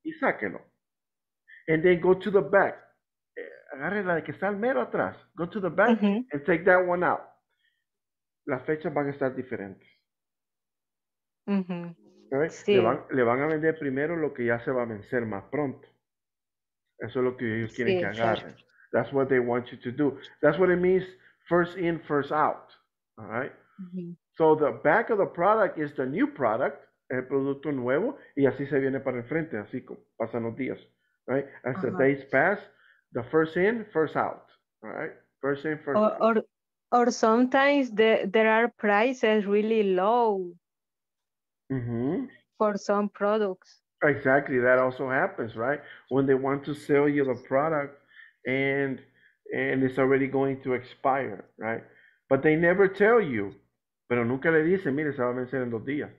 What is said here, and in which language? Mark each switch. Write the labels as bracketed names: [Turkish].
[Spanish] Y sáquelo. [English] And then go to the back. [Spanish] Agarre la que está al mero atrás. [English] Go to the back mm-hmm. and take that one out. [Spanish] Las fechas van a estar diferentes. Uh-huh. ¿Vale? Sí. Le van a vender primero lo que ya se va a vencer más pronto. Eso es lo que ellos quieren sí, que agarren. [English] Sure. That's what they want you to do. That's what it means, first in, first out. All right? Uh-huh. So the back of the product is the new product, [Spanish] el producto nuevo, y así se viene para el frente, así como pasan los días. Right? [English] As uh-huh. the days pass, the first in, first out. All right? First in, first out. Or sometimes there are prices really low mm-hmm. for some products. Exactly. That also happens, right? When they want to sell you the product and it's already going to expire, right? But they never tell you. [Spanish] Pero nunca le dicen, mire, se va a vencer en 2 días.